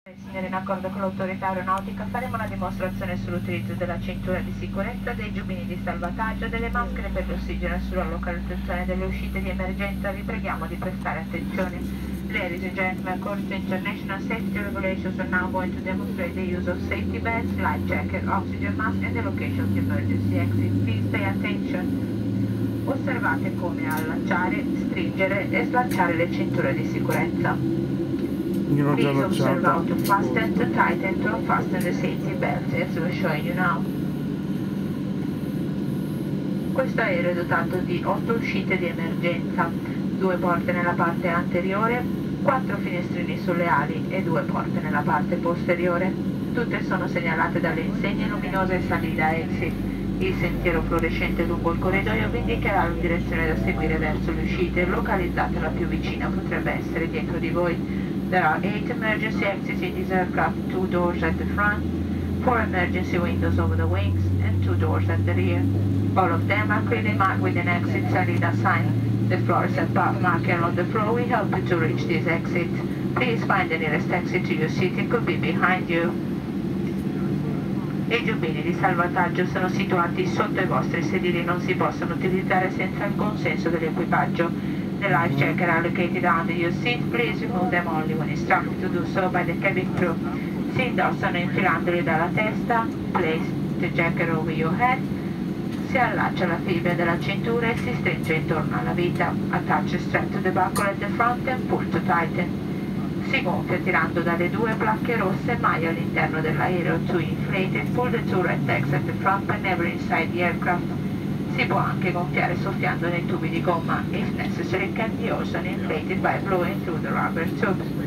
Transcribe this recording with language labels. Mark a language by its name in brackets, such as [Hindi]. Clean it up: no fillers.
[Italian] Signore, in accordo con l'autorità aeronautica, faremo una dimostrazione sull'utilizzo della cintura di sicurezza, dei giubbini di salvataggio, delle maschere per l'ossigeno e sulla localizzazione delle uscite di emergenza. Vi preghiamo di prestare attenzione. [English] Ladies and gentlemen, according to international safety regulations, we are now going to demonstrate the use of safety vests, life jacket, oxygen mask and the location of the emergency exit. Please pay attention. [Italian] Osservate come allacciare, stringere e slacciare le cinture di sicurezza. Io non [English] Please observe how to fasten, to tighten, to unfasten the safety belt as we're showing you now. [Italian] Questo aereo è dotato di 8 uscite di emergenza, 2 porte nella parte anteriore, 4 finestrini sulle ali e 2 porte nella parte posteriore. Tutte sono segnalate dalle insegne luminose e salida exit. Il sentiero fluorescente lungo il corridoio vi indicherà la direzione da seguire verso le uscite, localizzate la più vicina, potrebbe essere dietro di voi. [English] There are 8 emergency exits in this aircraft, 2 doors at the front, 4 emergency windows over the wings, and 2 doors at the rear. All of them are clearly marked with an exit salida sign. The floor is above marking on the floor, we help you to reach this exit. Please find the nearest exit to your seat, it could be behind you. [Italian] I giubbini di salvataggio sono situati sotto i vostri sedili e non si possono utilizzare senza il consenso dell'equipaggio. [English] The life jacket are located under your seat, please remove them only when instructed to do so by the cabin crew. [Italian] Si indossano infilandoli dalla testa, [English] place the jacket over your head, [Italian] si allaccia la fibra della cintura e si stringe intorno alla vita. [English] Attach a strap to the buckle at the front and pull to tighten. [Italian] Si gonfia tirando dalle due placche rosse mai all'interno dell'aereo. [English] To inflate, pull the two red tags at the front and never inside the aircraft. [Italian] Si può anche gonfiare soffiando nei tubi di gomma. [English] If necessary, it can be also inflated by blowing through the rubber tube.